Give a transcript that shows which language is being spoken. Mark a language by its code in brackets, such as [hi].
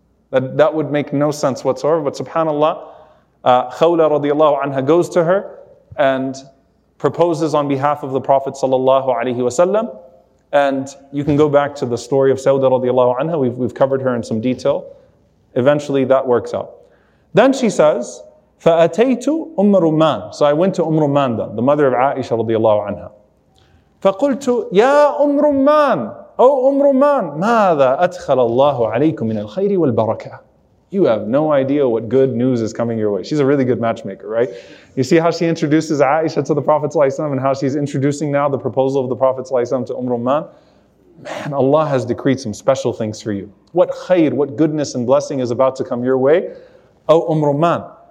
[en] That would make no sense whatsoever. But subhanAllah, Khawla radiallahu anha goes to her and proposes on behalf of the Prophet sallallahu alayhi wasallam. And you can go back to the story of Sauda radiallahu anha. We've covered her in some detail. Eventually that works out. Then she says, [ar] فَأَتَيْتُ أُمَّ رُمَّان. [en] So I went to Umm Rumman, the mother of Aisha radiallahu anha. [ar] فَقُلْتُ يَا أُمْ رُمَّان. [en] O Umm Rumman, [ar] مَاذَا أَدْخَلَ اللَّهُ عَلَيْكُمْ مِنَ الْخَيْرِ وَالْبَرَكَةِ. [en] You have no idea what good news is coming your way. She's a really good matchmaker, right? You see how she introduces Aisha to the Prophet ﷺ and how she's introducing now the proposal of the Prophet ﷺ to Umm Rumman. Man, Allah has decreed some special things for you. What khayr, what goodness and blessing is about to come your way? O Umm Rumman.